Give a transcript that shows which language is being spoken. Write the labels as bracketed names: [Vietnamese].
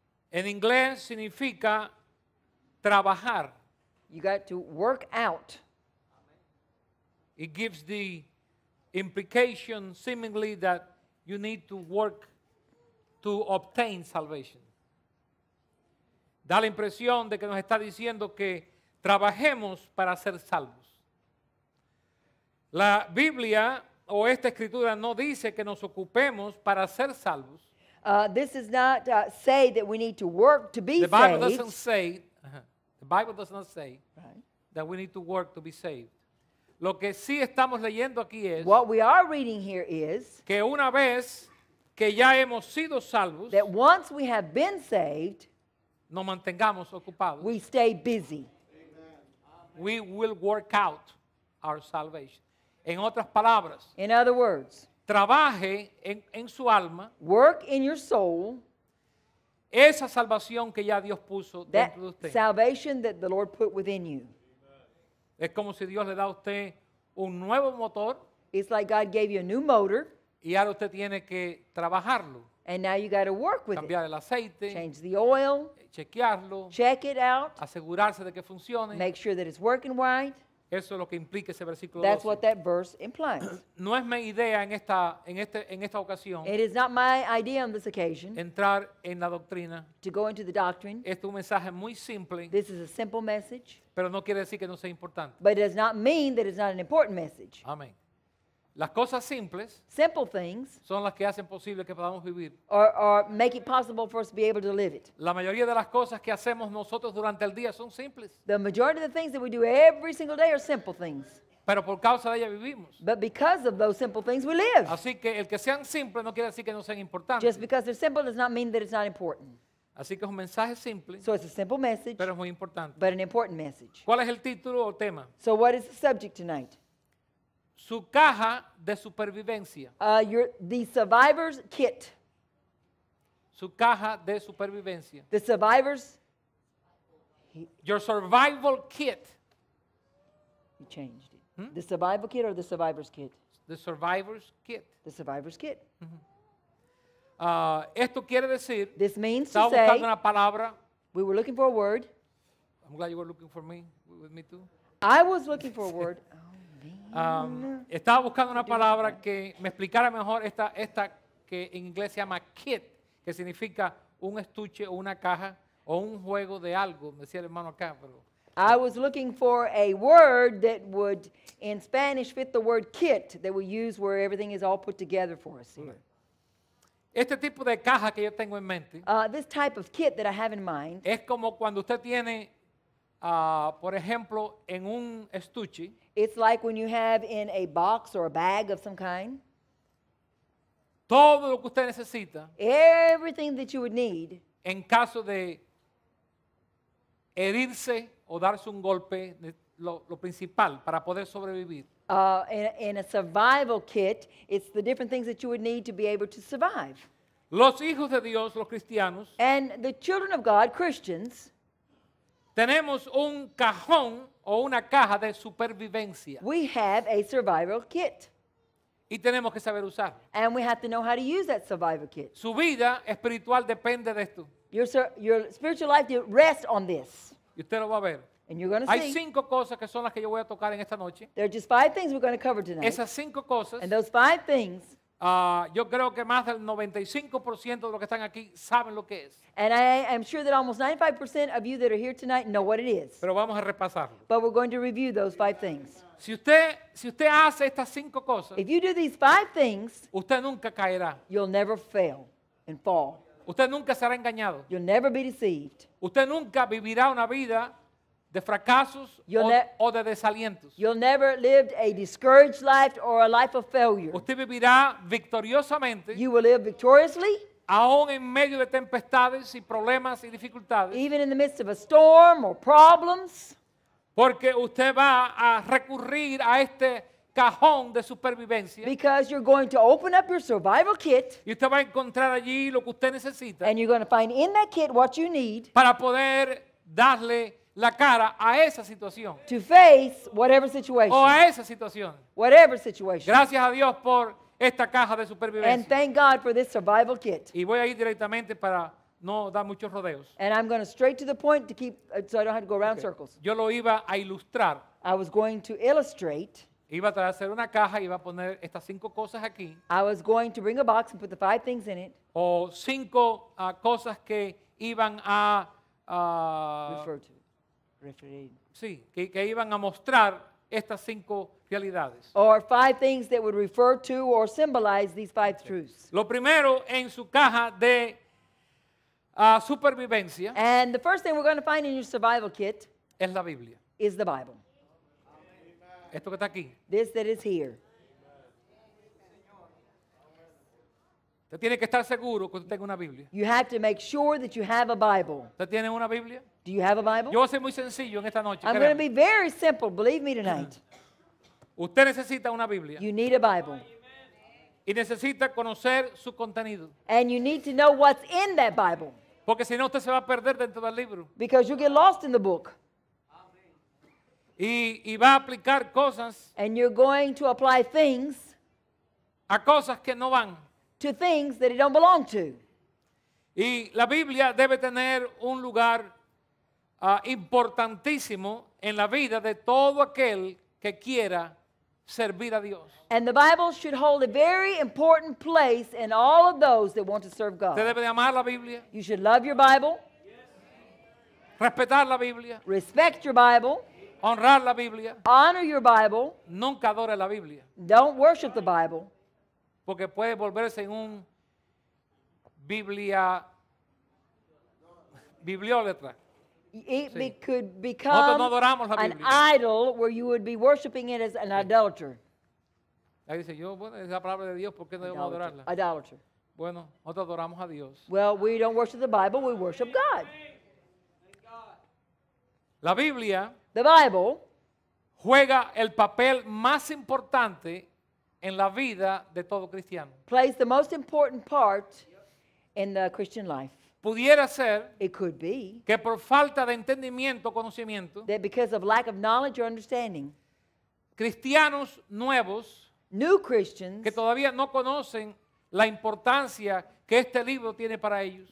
[Spanish] En inglés significa trabajar. [English] You got to work out. It gives the implication seemingly that you need to work to obtain salvation. [Spanish] Da la impresión de que nos está diciendo que trabajemos para ser salvos. La Biblia o esta escritura no dice que nos ocupemos para ser salvos. [English] This is not say that we need to work to be saved. Bible doesn't say. The Bible does not say that we need to work to be saved. [Spanish] Lo que sí estamos leyendo aquí es, [English] what we are reading here is, [Spanish] que una vez que ya hemos sido salvos, [English] that once we have been saved, [Spanish] nos mantengamos ocupados. [English] We stay busy. Amen. We will work out our salvation. [Spanish] En otras palabras, [English] in other words, [Spanish] trabaje en su alma, [English] work in your soul, [Spanish] esa salvación que ya Dios puso dentro de usted. [English] That salvation that the Lord put within you. [Spanish] Es como si Dios le da a usted un nuevo motor. [English] It's like God gave you a new motor. [Spanish] Y ahora usted tiene que trabajarlo. [English] And now you got to work with [Spanish] cambiar [English] it. [Spanish] Cambiar el aceite. [English] Change the oil. [Spanish] Chequearlo. [English] Check it out. [Spanish] Asegurarse de que funcione. [English] Make sure that it's working right. [Spanish] Eso es lo que implica ese versículo 12. [English] That's what that verse implies. [Spanish] No es mi idea en esta ocasión. [English] It is not my idea on this occasion. [Spanish] Entrar en la doctrina. [English] To go into the doctrine. [Spanish] Este es un mensaje muy simple. [English] This is a simple message. [Spanish] Pero no quiere decir que no sea importante. [English] But it does not mean that it's not an important message. [Spanish] Amén. Las cosas simples. [English] Simple things. [Spanish] Son las que hacen posible que podamos vivir. [English] Or make it possible for us to be able to live it. [Spanish] La mayoría de las cosas que hacemos nosotros durante el día son simples. [English] The majority of the things that we do every single day are simple things. [Spanish] Pero por causa de ellas vivimos. [English] But because of those simple things we live. [Spanish] Así que el que sean simples no quiere decir que no sean importantes. [English] Just because they're simple does not mean that it's not important. [Spanish] Así que es un mensaje simple. [English] So it's a simple message. [Spanish] Pero es muy importante. [English] But an important message. [Spanish] ¿Cuál es el título o tema? [English] So what is the subject tonight? [Spanish] Su caja de supervivencia. [English] The survivor's kit. [Spanish] Su caja de supervivencia. [English] The survivor's. Your survival kit. You changed it. Hmm? The survival kit or the survivor's kit? The survivor's kit. The survivor's kit. [Spanish] Mm-hmm. Esto quiere decir. [English] This means [Spanish] estaba [English] to [Spanish] buscando [English] say. [Spanish] Una palabra. [English] We were looking for a word. I'm glad you were looking for me. With me too. I was looking for a word. [Spanish] Estaba buscando una palabra que me explicara mejor esta que en inglés se llama kit, que significa un estuche o una caja O un juego de algo, decía el hermano acá, pero. [English] I was looking for a word that would, in Spanish, fit the word kit that we use where everything is all put together for us here. [Spanish] Este tipo de caja que yo tengo en mente. [English] This type of kit that I have in mind. [Spanish] Es como cuando usted tiene, por ejemplo, en un estuche. [English] It's like when you have in a box or a bag of some kind. [Spanish] Todo lo que usted necesita. [English] Everything that you would need. [Spanish] En caso de herirse o darse un golpe, lo principal para poder sobrevivir. [English] In a survival kit, it's the different things that you would need to be able to survive. [Spanish] Los hijos de Dios, los cristianos. [English] And the children of God, Christians. [Spanish] Tenemos un cajón o una caja de supervivencia. [English] We have a survival kit. [Spanish] Y tenemos que saber usar. [English] And we have to know how to use that survival kit. [Spanish] Su vida espiritual depende de esto. [English] Your spiritual life rests on this. [Spanish] Y usted lo va a ver. [English] And you're going to [Spanish] Hay Cinco cosas que son las que yo voy a tocar en esta noche. [English] There are just five things we're going to cover tonight. [Spanish] Esas cinco cosas. [English] And those five things. [Spanish] Yo creo que más del 95% de los que están aquí saben lo que es. [English] And I am sure that almost 95% of you that are here tonight know what it is. [Spanish] Pero vamos a repasarlo. [English] But we're going to review those five things. [Spanish] Si usted hace estas cinco cosas. [English] If you do these five things. [Spanish] Usted nunca caerá. [English] You'll never fail and fall. [Spanish] Usted nunca será engañado. [English] You'll never be deceived. [Spanish] Usted nunca vivirá una vida de fracasos o de desalientos. [English] You'll never live a discouraged life or a life of failure. [Spanish] Usted vivirá victoriosamente. [English] You will live victoriously. [Spanish] Aún en medio de tempestades y problemas y dificultades. [English] Even in the midst of a storm or problems. [Spanish] Porque usted va a recurrir a este cajón de supervivencia. [English] Because you're going to open up your survival kit. [Spanish] Y usted va a encontrar allí lo que usted necesita. [English] And you're going to find in that kit what you need. [Spanish] Para poder darle la cara a esa situación. [English] To face whatever situation. [Spanish] O a esa situación. [English] Whatever situation. [Spanish] Gracias a Dios por esta caja de supervivencia. [English] And thank God for this survival kit. [Spanish] Y voy a ir directamente para no dar muchos rodeos. [English] And I'm going to straight to the point to keep so I don't have to go around okay. Circles. [Spanish] Yo lo iba a ilustrar. [English] I was going to illustrate. [Spanish] Iba a traer una caja y iba a poner estas cinco cosas aquí. [English] I was going to bring a box and put the five things in it. [Spanish] O cinco cosas que iban a [English] refer to. [Spanish] Sí, que iban a mostrar estas cinco realidades. [English] Or five things that would refer to or symbolize these five truths. [Spanish] Lo primero en su caja de supervivencia. [English] And the first thing we're going to find in your survival kit. [Spanish] Es la Biblia. [English] Is the Bible. [Spanish] Amen. Esto que está aquí. [English] This that is here. [Spanish] Usted tiene que estar seguro que usted tenga una Biblia. [English] You have to make sure that you have a Bible. [Spanish] ¿Usted tiene una Biblia? [English] Do you have a Bible? [Spanish] Yo soy muy sencillo en esta noche. [English] I'm going to be very simple, believe me tonight. [Spanish] Usted necesita una Biblia. [English] You need a Bible. [Spanish] Y necesita conocer su contenido. [English] And you need to know what's in that Bible. [Spanish] Porque si no, usted se va a perder dentro del libro. [English] Because you get lost in the book. [Spanish] Y va a aplicar cosas. [English] And you're going to apply things. [Spanish] A cosas que no van. [English] To things that it don't belong to. [Spanish] Y la Biblia debe tener un lugar importantísimo en la vida de todo aquel que quiera servir a Dios. [English] And the Bible should hold a very important place in all of those that want to serve God. [Spanish] Usted debe de amar la Biblia. [English] You should love your Bible. [Spanish] Respetar la Biblia. [English] Respect your Bible. [Spanish] Honrar la Biblia. [English] Honor your Bible. [Spanish] Nunca adore la Biblia. [English] Don't worship the Bible. [Spanish] Porque puede volverse en un bibliólatra. [English] It [Spanish] sí. [English] Could become [Spanish] no [English] an [Spanish] Biblia. [English] Idol where you would be worshiping it as an [Spanish] sí. [English] Idolater. [Spanish] Ahí dice, yo, bueno, esa palabra de Dios, ¿por qué no debemos adorarla? [English] Idolater. [Spanish] Bueno, nosotros adoramos a Dios. [English] Well, we don't worship the Bible, we worship God. [Spanish] La Biblia. [English] The Bible. [Spanish] Juega el papel más importante en la vida de todo cristiano. [English] Plays the most important part in the Christian life. [Spanish] Pudiera ser [English] it could be [Spanish] que por falta de entendimiento o conocimiento [English] that because of lack of knowledge or understanding [Spanish] cristianos nuevos [English] new Christians [Spanish] que todavía no conocen la importancia que este libro tiene para ellos